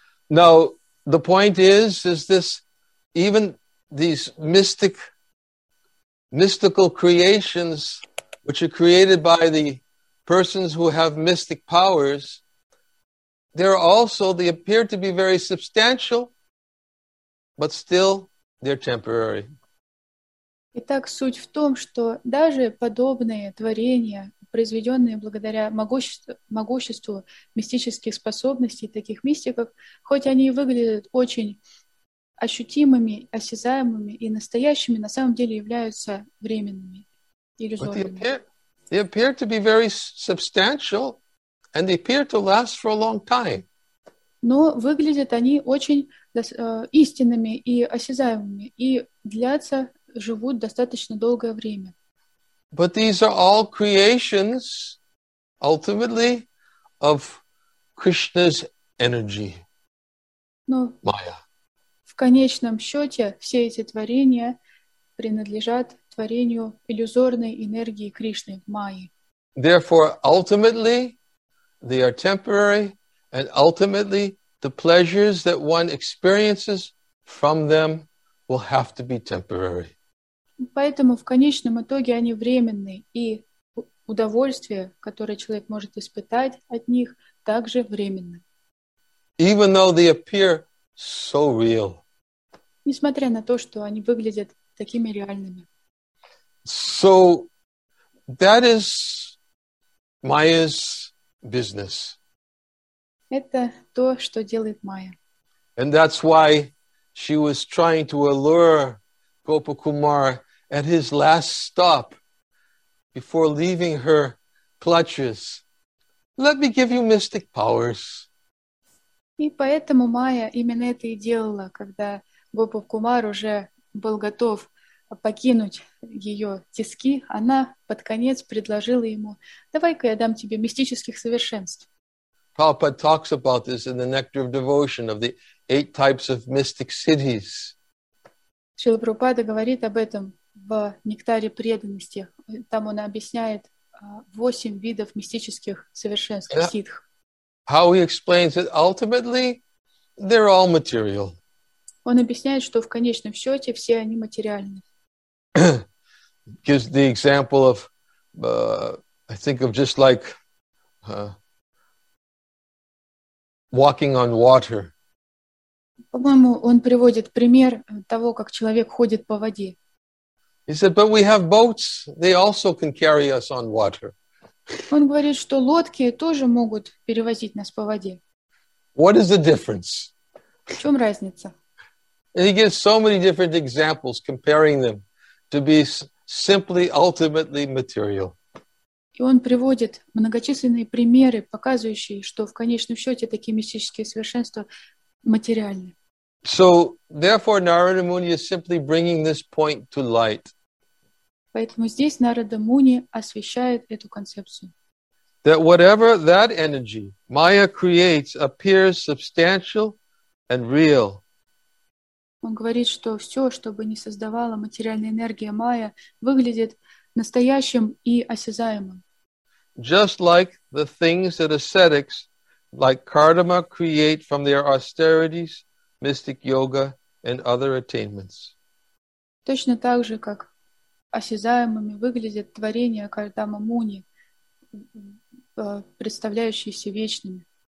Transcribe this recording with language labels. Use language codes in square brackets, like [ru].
[en] Now, the point is this, even these mystical creations, which are created by the persons who have mystic powers, they appear to be very substantial, but still they're temporary. [ru] Итак, суть в том, что даже подобные творения, произведенные благодаря могуществу мистических способностей таких мистиков, хоть они и выглядят очень ощутимыми, осязаемыми и настоящими, на самом деле являются временными, иллюзорными. [en] They appear to be very substantial, and they appear to last for a long time. [ru] Но выглядят они очень истинными и осязаемыми, и длятся, живут достаточно долгое время. [en] But these are all creations, ultimately, of Krishna's energy, Maya. [ru] В конечном счете, все эти творения принадлежат творению иллюзорной энергии Кришны, Майи. [en] Therefore, ultimately, they are temporary, and ultimately, the pleasures that one experiences from them will have to be temporary. [ru] Поэтому в конечном итоге они временны, и удовольствие, которое человек может испытать от них, также временно. [en] Even though they appear so real. [ru] Несмотря на то, что они выглядят такими реальными. [en] So that is Maya's business. [ru] Это то, что делает Майя. [en] And that's why she was trying to allure Gopakumara at his last stop before leaving her clutches. Let me give you mystic powers. [ru] И поэтому Майя именно это и делала, когда Гопакумара уже был готов покинуть ее тиски, она под конец предложила ему: давай-ка я дам тебе мистических совершенств. [en] Prabhupada talks about this in the Nectar of Devotion, of the eight types of mystic cities. [ru] Шрила Прабхупада говорит об этом в Нектаре преданности. Там он объясняет восемь видов мистических совершенств, ситх. [en] How he explains it, ultimately, they're all material. [ru] Он объясняет, что в конечном счете все они материальны. [en] Gives the example of, I think of just like walking on water. [ru] По-моему, он приводит пример того, как человек ходит по воде. [en] He said, but we have boats, they also can carry us on water. [ru] Он говорит, что лодки тоже могут перевозить нас по воде. [en] What is the difference? [ru] В чем разница? [en] And he gives so many different examples, comparing them to be simply, ultimately material. [ru] И он приводит многочисленные примеры, показывающие, что в конечном счете такие мистические совершенства материальны. [en] So, therefore, Narada Muni is simply bringing this point to light. [ru] Поэтому здесь Нарада Муни освещает эту концепцию. [en] That whatever that energy Maya creates appears substantial and real. [ru] Он говорит, что все, что бы ни создавала материальная энергия Майя, выглядит настоящим и осязаемым. [en] Just like the things that ascetics, like Kardama, create from their austerities, mystic yoga, and other attainments. [ru] Точно так же, как осязаемыми выглядят творения Кардама Муни, представляющиеся вечными.